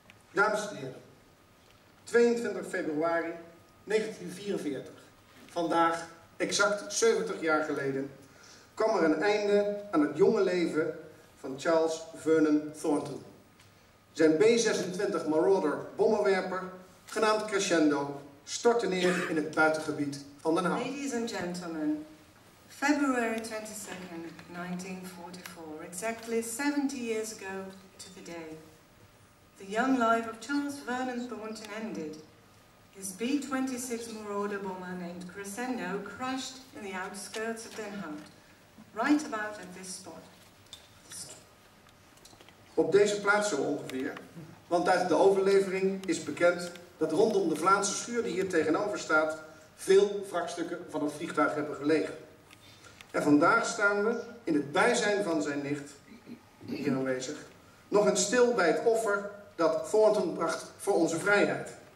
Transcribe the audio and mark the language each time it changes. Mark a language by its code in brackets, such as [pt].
[nl] Dames en heren, 22 februari 1944, vandaag exact 70 jaar geleden, kwam er een einde aan het jonge leven van Charles Vernon Thornton. Zijn B-26 Marauder bommenwerper, genaamd Crescendo, stortte neer in het buitengebied van Den Haag. [en] Ladies and gentlemen, February 22nd, 1944, exactly 70 years ago to the day, the young life of Charles Vernon Thornton ended. His B-26 Marauder bomber named Crescendo crashed in the outskirts of Den Haag, right about at this spot. [nl] Op deze plaats zo ongeveer, want uit de overlevering is bekend dat rondom de Vlaamse schuur die hier tegenover staat veel wrakstukken van het vliegtuig hebben gelegen. En vandaag staan we in het bijzijn van zijn nicht, hier aanwezig, nog eens stil bij het offer dat Thornton bracht voor onze vrijheid.